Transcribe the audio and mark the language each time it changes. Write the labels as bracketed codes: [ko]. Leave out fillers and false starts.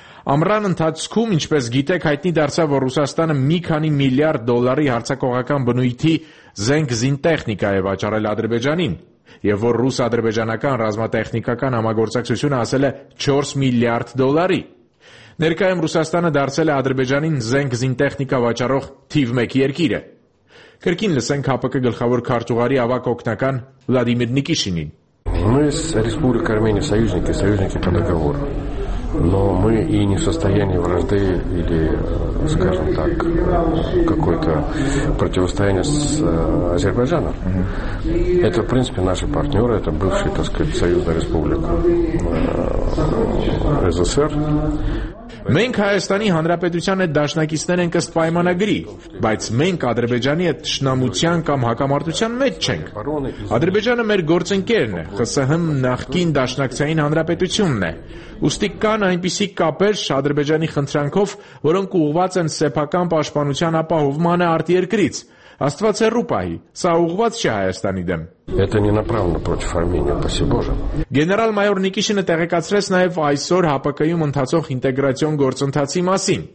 [hy] Ամռան ընթացքում, ինչպես գիտեք, հայտնի դարձավ, որ Ռուսաստանը մի քանի միլիարդ դոլարի հարձակողական բնույթի զենք զինտեխնիկա է վաճառել Ադրբեջանին, և որ ռուս-ադրբեջանական ռազմատեխնիկական համագործակցությունը ասել է 4 միլիարդ դոլարի։ Ներկայում Ռուսաստանը դարձել է Ադրբեջանին զենք զինտեխնիկա վաճառող թիվ 1 երկիրը։ Կրկին լսենք ՀԱՊԿ գլխավոր քարտուղարի ավագ օգնական Վլադիմիր Նիկիշինին։ [ru] Мы с Республикой Армения союзники, союзники по договору. Но мы и не в состоянии вражды или, скажем так, какое-то противостояние с Азербайджаном. Это, в принципе, наши партнеры, это бывшие, так сказать, союзная республика СССР. [hy] Մենք Հայաստանի Հանրապետության հետ դաշնակիցներ ենք ըստ պայմանագրի, բայց մենք Ադրբեջանի հետ շնամության կամ հակամարտության մեջ չենք։ Ադրբեջանը մեր գործընկերն է, ԽՍՀՄ նախկին դաշնակցային հանրապետությունն է։ Ուստի կան այնպիսի կապեր Ադրբեջանի խնդրանքով, որոնք ուղղված են սեփական պաշտպանության ապահովմանը արտերկրից։ Աստված հեռու պահի, սա ուղղված չէ Հայաստանի դեմ։ [ru] Это не направлено против Армении, спаси Боже. [hy] Генерал-майор Никишина տեղեկացրեց նաև այսօր ՀԱՊԿ-ում ընթացող ինտեգրացիոն գործընթացի մասին։